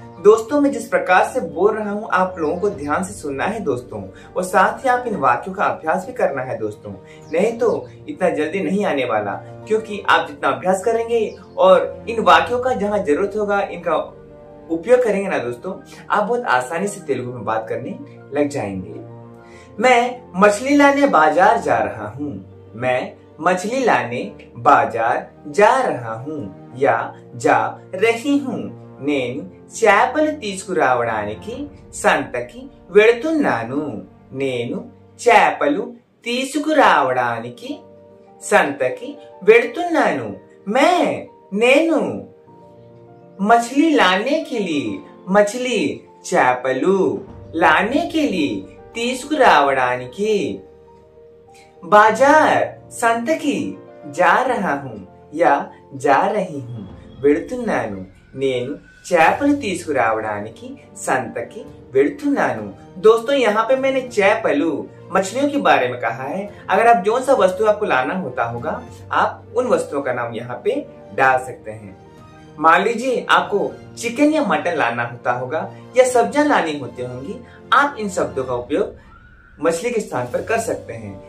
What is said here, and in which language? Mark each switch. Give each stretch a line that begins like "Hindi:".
Hindi: दोस्तों मैं जिस प्रकार से बोल रहा हूँ आप लोगों को ध्यान से सुनना है दोस्तों, और साथ ही आप इन वाक्यों का अभ्यास भी करना है दोस्तों, नहीं तो इतना जल्दी नहीं आने वाला, क्योंकि आप जितना अभ्यास करेंगे और इन वाक्यों का जहाँ जरूरत होगा इनका उपयोग करेंगे ना दोस्तों, आप बहुत आसानी से तेलुगु में बात करने लग जाएंगे। मैं मछली लाने बाजार जा रहा हूँ, मैं मछली लाने बाजार जा रहा हूँ या जा रही हूँ।
Telugu: నేను చేపలు తీసుకురావడానికి సంతకి వెళ్తున్నాను, నేను చేపలు తీసుకురావడానికి సంతకి వెళ్తున్నాను। మే నేను
Hindi: మచ్లీ లానే కేలీ,
Telugu: మచ్లీ చేపలు లానే కేలీ తీసుకురావడానికి బజార్ సంతకి
Hindi: జా రహా హూ యా జా రహీ హూ
Telugu: వెళ్తున్నాను నేను చేపలు తీసుకురావడానికి సంతకి వెళ్తున్నాను।
Hindi: दोस्तों यहाँ पे मैंने चैपलू मछलियों के बारे में कहा है, अगर आप जो सा वस्तु आपको लाना होता होगा आप उन वस्तुओं का नाम यहाँ पे डाल सकते हैं। मान लीजिए आपको चिकन या मटन लाना होता होगा या सब्जियां लानी होती होंगी, आप इन शब्दों का उपयोग मछली के स्थान पर कर सकते हैं,